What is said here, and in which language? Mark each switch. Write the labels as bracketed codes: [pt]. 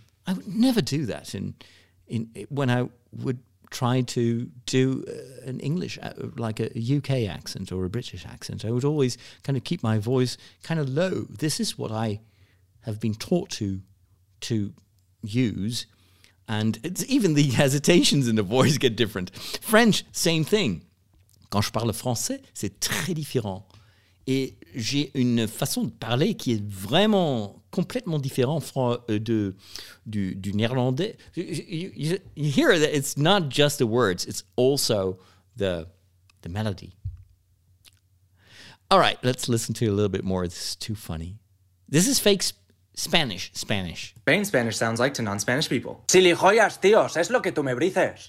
[en] I would never do that when I would try to do an English, like a UK accent or a British accent. I would always kind of keep my voice kind of low. This is what I have been taught to use. And it's even the hesitations in the voice get different. French, same thing. [fr] Quand je parle français, c'est très différent. Et j'ai une façon de parler qui est vraiment complètement différent du néerlandais. [en] You hear that it's not just the words, it's also the melody. All right, let's listen to a little bit more. This is too funny. This is fake Spanish, Spanish. Spain Spanish sounds like to non-Spanish people. Silijoyas, tíos, es lo que tú me brices.